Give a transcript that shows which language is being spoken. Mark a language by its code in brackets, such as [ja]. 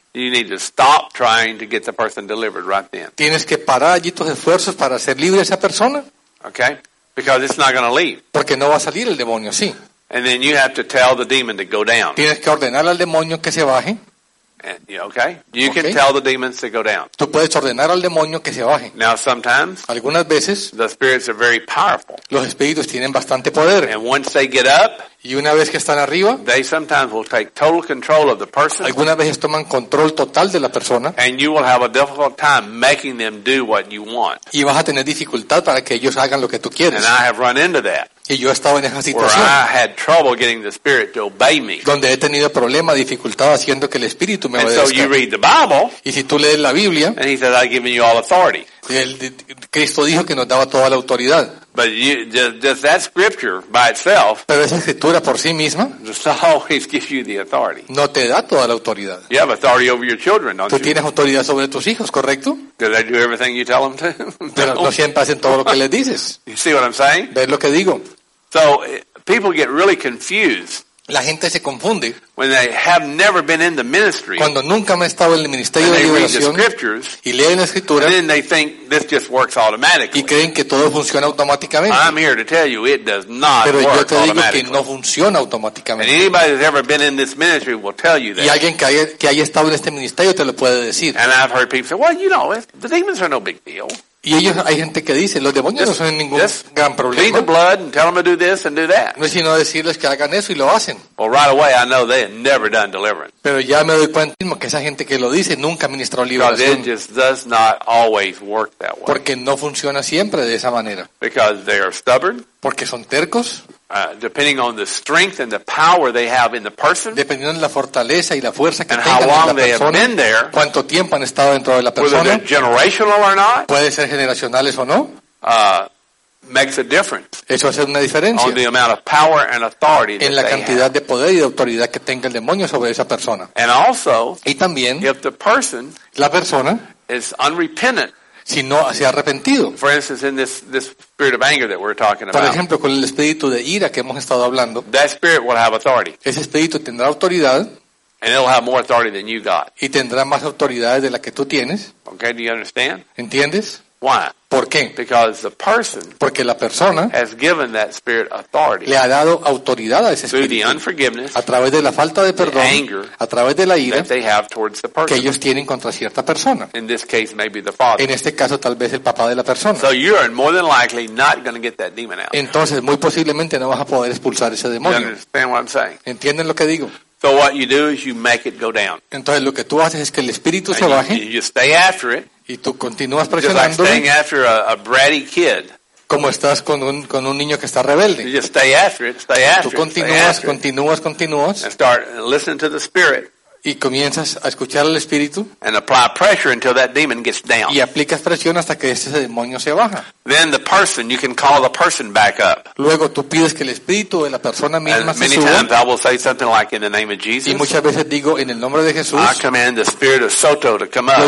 [en] You need to stop trying to get the person delivered right then. [es] Tienes que parar allí tus esfuerzos para hacer libre a esa persona. [en] Okay? Because it's not going to leave. [es] Porque no va a salir el demonio, sí. [en] And then you have to tell the demon to go down. [es] Tienes que ordenar al demonio que se baje. [en] Okay? You can tell the demons to go down. [es] Tú puedes ordenar al demonio que se baje. [en] Now sometimes, [es] algunas veces, [en] the spirits are very powerful. [es] Los espíritus tienen bastante poder. [en] And once they get up, [es] y una vez que están arriba, [en] they sometimes will take total control of the person. [es] Algunas veces toman control total de la persona. [en] And you will have a difficult time making them do what you want. [es] Y vas a tener dificultad para que ellos hagan lo que tú quieres. [en] And I have run into that. [es] Y yo he estado en esa situación. [en] Where I had trouble getting the spirit to obey me. [es] Donde he tenido problema, dificultad haciendo que el espíritu me obedezca. [en] And so you read the Bible. [es] Y si tú lees la Biblia. [en] And he said, I've given you all authority. [es] Cristo dijo que nos daba toda la autoridad. [en] But you, just that scripture by itself. [es] Pero esa escritura por sí misma. [en] Just always gives you the authority. [es] No te da toda la autoridad. [en] You have authority over your children, don't [es] tú [en] you? [es] Tú tienes autoridad sobre tus hijos, ¿correcto? [en] Do they do everything you tell them to? [es] Pero no siempre hacen todo lo que les dices. [en] You see what I'm saying? [es] ¿Ves lo que digo? [en] So people get really confused. [es] La gente se confunde. [en] When they have never been in the ministry. [es] Cuando nunca han estado en el ministerio de liberación. Y leen la escritura. [en] And then they think this just works automatically. [es] Y creen que todo funciona automáticamente. [en] I'm here to tell you it does not work automatically. [es] Pero yo te digo que no funciona automáticamente. [en] And anybody that's ever been in this ministry will tell you that. [es] Y alguien que haya estado en este ministerio te lo puede decir. [en] And I've heard people say, well, you know, the demons are no big deal. [es] Y ellos, hay gente que dice, los demonios no son ningún gran problema. No es sino decirles que hagan eso y lo hacen. [en] Well, right away I know they have never done deliverance. [es] Pero ya me doy cuenta mismo que esa gente que lo dice nunca ministró liberación. [en] Because it just does not always work that way. [es] Porque no funciona siempre de esa manera. [en] Because they are stubborn. [es] Porque son tercos. [en] Depending on the strength and the power they have in the person, [es] dependiendo de la fortaleza y la fuerza que tengan en la persona, [en] and how long they have been there, [es] cuánto tiempo han estado dentro de la persona, [en] whether they're generational or not, [es] puede ser generacionales o no, [en] makes a difference. [es] Eso hace una diferencia. [en] On the amount of power and authority [es] en la cantidad de poder y de autoridad que tenga el demonio sobre esa persona. [en] And also, [es] y también, [en] if the person, [es] la persona, [en] is unrepentant. [es] si no se ha arrepentido. [en] For instance, in this spirit of anger that we're talking about. [es] Por ejemplo, con el espíritu de ira que hemos estado hablando. [en] That spirit will have authority. [es] Ese espíritu tendrá autoridad. [en] And it'll have more authority than you got. [es] Y tendrá más autoridades de la que tú tienes. [en] Okay, do you understand? [es] ¿Entiendes? [en] Why? [es] ¿Por qué? [en] Because the person, [es] porque la persona, [en] has given that spirit authority. [es] Le ha dado autoridad a ese espíritu. [en] Through the unforgiveness, [es] a través de la falta de perdón, [en] the anger, [es] a través de la ira, [en] that they have towards the person. [es] Que ellos tienen contra cierta persona. [en] In this case, maybe the father. [es] En este caso, tal vez el papá de la persona. [en] So you are more than likely not going to get that demon out. [es] Entonces, muy posiblemente no vas a poder expulsar ese demonio. [en] You understand what I'm saying? [es] ¿Entienden lo que digo? [en] So what you do is you make it go down. [es] Entonces lo que tú haces es que el espíritu [en] and [es] se baje. [en] You stay after it. [es] Y tú continúas presionándolo. [en] Just like staying after a bratty kid. [es] Como estás con un niño que está rebelde. [en] You just stay after it, stay after it. [es] Tú continúas. [en] And start listening to the spirit. [es] Y comienzas a escuchar al espíritu. [en] And apply pressure until that demon gets down. [es] Y aplicas presión hasta que ese demonio se baja. [en] Then the person, you can call the person back up. [es] Luego tú pides que el espíritu de la persona misma se suba. [en] Many times I will say something like in the name of Jesus. [es] Y muchas veces digo en el nombre de Jesús. [en] I command the spirit of Soto to come up.